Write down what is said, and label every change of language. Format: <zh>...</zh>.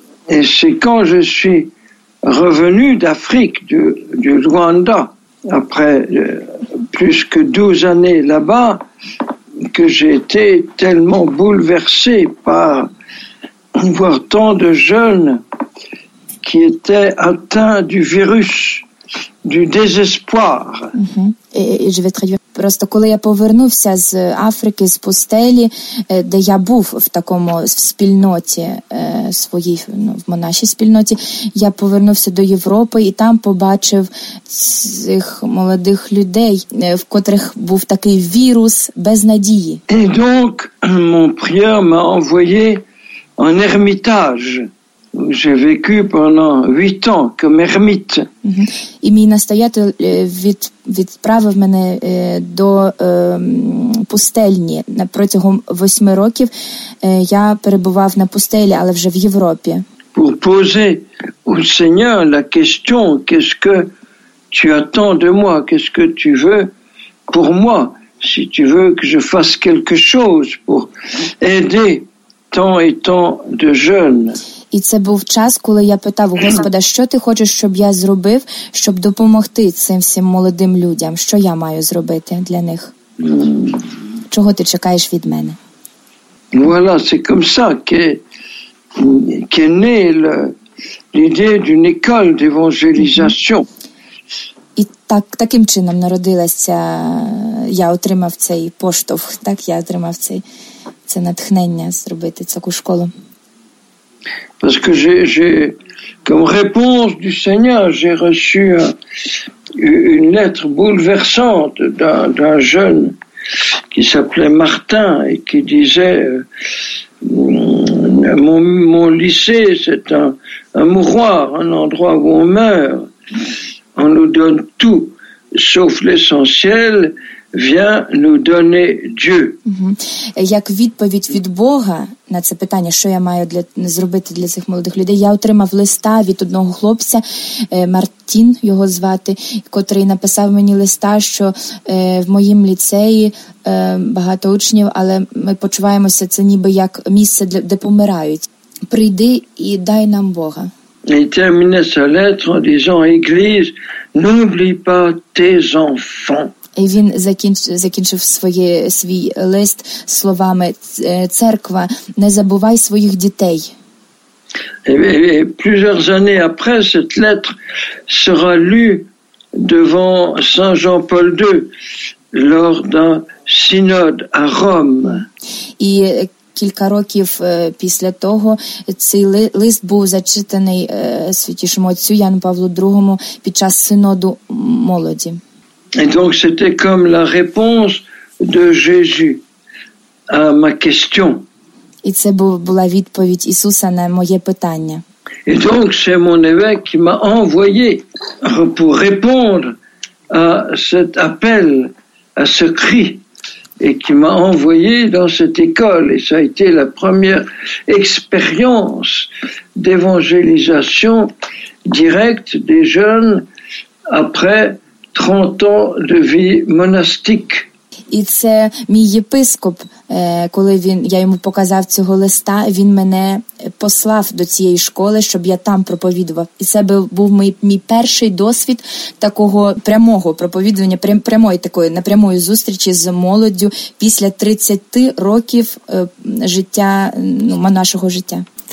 <fr>Et c'est quand je suis revenu d'Afrique, du Rwanda, après plus que 12 années là-bas, que j'ai été tellement bouleversé par voir tant de jeunes qui étaient atteints du virus du désespoir. Et je vais traduire.</fr> <uk>Просто коли я повернувся з Африки, з пустелі, де я був в такому спільноті своїй, ну, в монашій спільноті, я повернувся до Європи і там побачив цих молодих людей, в котрих був такий вірус без надії.</uk> <fr>Et donc, mon prieur m'a envoyé en ermitage. J'ai vécu pendant 8 ans comme ermite.</fr> <uk>І мій настоятель відправив мене до пустельні. Протягом 8 років я перебував на пустелі, але вже в Європі.</uk> <fr>Pour poser au Seigneur la question, qu'est-ce que tu attends de moi? Qu'est-ce que tu veux pour moi? Si tu veux que je fasse quelque chose pour aider tant et tant de jeunes.</fr> <uk>І це був час, коли я питав Господа, що ти хочеш, щоб я зробив, щоб допомогти цим всім молодим людям? Що я маю зробити для них? Чого ти чекаєш від мене?</uk> <fr>Voilà, c'est comme ça qu'est née l'idée d'une école d'évangélisation.</fr> <uk>І так, таким чином народилася, я отримав цей поштовх, так, я отримав це натхнення зробити таку школу.</uk> <fr>Parce que j'ai comme réponse du Seigneur, j'ai reçu une lettre bouleversante d'un jeune qui s'appelait Martin et qui disait mon lycée, c'est un mouroir, un endroit où on meurt. on nous donne tout, sauf l'essentiel, vient nous donner Dieu.</fr> <uk>Як відповідь від Бога на це питання, що я маю для зробити для цих молодих людей, я отримав листа від одного хлопця, Мартін його звати, котрий написав мені листа, що в моїм ліцеї багато учнів, але ми почуваємося це ніби як місце, для, де помирають. Прийди і дай нам Бога.</uk> <fr>Il termine sa lettre en disant, Église, n'oublie pas tes enfants.</fr> <uk>І він закінчив свій лист словами, церква, не забувай своїх дітей.</uk> <fr>Et plusieurs années après, cette lettre sera lue devant Saint Jean-Paul II lors d'un synode à Rome.</fr> <uk>І кілька років після того цей лист був зачитаний Святішому Отцю Яну Павлу II під час синоду молоді.</uk> <fr>Et donc c'était comme la réponse de Jésus à ma question.</fr> <uk>І це була відповідь Ісуса на моє питання.</uk> <fr>Et donc c'est mon évêque qui m'a envoyé pour répondre à cet appel, à ce cri, et qui m'a envoyé dans cette école. Et ça a été la première expérience d'évangélisation directe des jeunes après 30 ans de vie monastique.</fr> <uk>І це мій єпископ, коли він, я йому показав цього листа, він мене послав до цієї школи, щоб я там проповідував. І це був мій перший досвід такого прямого проповідування, прямої такої, напрямої зустрічі з молоддю після 30 років життя, ну, нашого життя.</uk>